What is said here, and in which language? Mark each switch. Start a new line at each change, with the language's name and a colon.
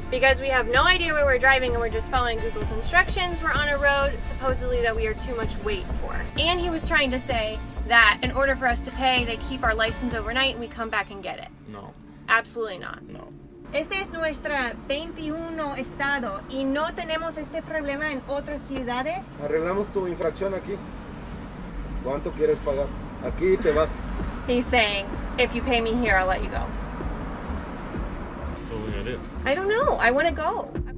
English: Because we have no idea where we're driving and we're just following Google's instructions. We're on a road supposedly that we are too much weight for. And he was trying to say that in order for us to pay, they keep our license overnight and we come back and get it. No. Absolutely not. No.
Spanish: Este es nuestro 21 estado y no tenemos este problema en otras ciudades. Arreglamos tu infracción aquí. ¿Cuánto quieres pagar? Aquí te vas.
English: He's saying, if you pay me here, I'll let you go. So what are we gonna do? I don't know. I want to go.